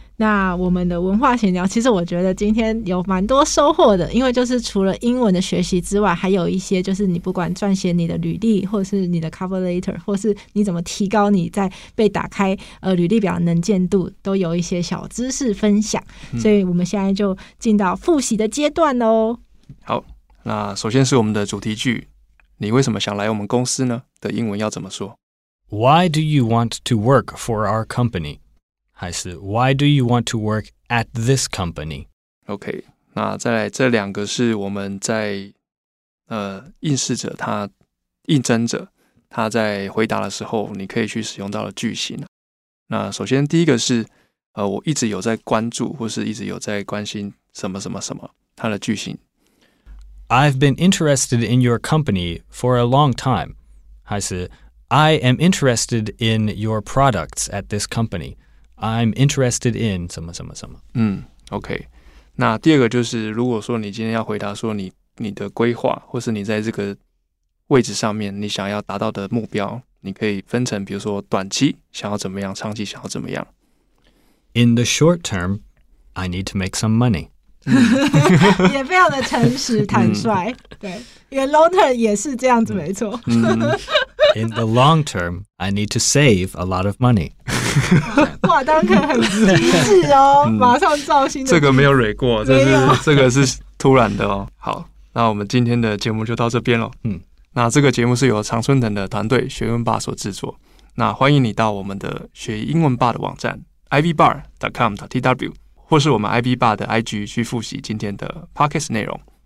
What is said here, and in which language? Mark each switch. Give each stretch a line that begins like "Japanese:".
Chinese: 那我们的文化闲聊，其实我觉得今天有蛮多收获的，因为就是除了英文的学习之外，还有一些就是你不管撰写你的履历，或者是你的 cover letter， 或是你怎么提高你在被打开履历表的能见度，都有一些小知识分享。所以我们现在就进到复习的阶段哦。好，那首先是我们的主题句，你为什么想来我们公司呢？的英文要怎么说？
English: Why do you want to work for our company? 还是 Why do you want to work at this company?
Chinese: OK, 那再来这两个是我们在应试者他应征者他在回答的时候你可以去使用到的句型。那首先第一个是我一直有在关注或是一直有在关心什么什么什么他的句型。
English: I've been interested in your company for a long time.
Chinese: 还是
English: I am interested in your products at this company. I'm interested in
Chinese: 什么什么什么。
English: OK。
Chinese: 那第二个就是，如果说你今天要回答说你的规划，或是你在这个位置上面你想要达到的目标，你可以分成，比如说短期想要怎么样，长期想要怎么样。
English: In the short term, I need to make some money。
Chinese: 也非常的诚实坦率。对，因为 long term 也是这样子，没错。
English: In the long term, I need to save a lot of money.
Chinese: 哇，当然很机智哦，马上造新的。这个没有蕊过，这个是突然的哦。好，那我们今天的节目就到这边了。那这个节目是由常春藤的团队学英文吧所制作。那欢迎你到我们的学英文吧的网站 ivbar.com.tw 或是我们 ivbar 的 IG 去复习今天的 podcast 内容。